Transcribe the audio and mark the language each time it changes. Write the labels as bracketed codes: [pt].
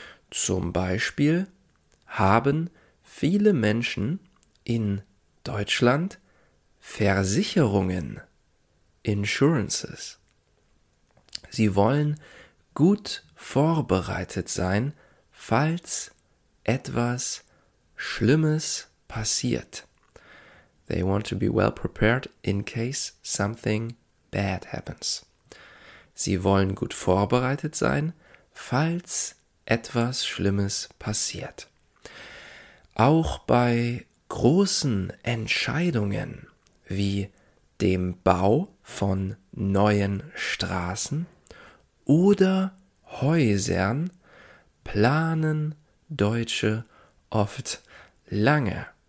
[de] Zum Beispiel haben viele Menschen in Deutschland Versicherungen, Insurances. Sie wollen gut vorbereitet sein, falls etwas Schlimmes passiert. [en] They want to be well prepared in case something bad happens. [de] Sie wollen gut vorbereitet sein, falls etwas Schlimmes passiert. Auch bei großen Entscheidungen wie dem Bau von neuen Straßen oder Häusern planen Deutsche oft lange.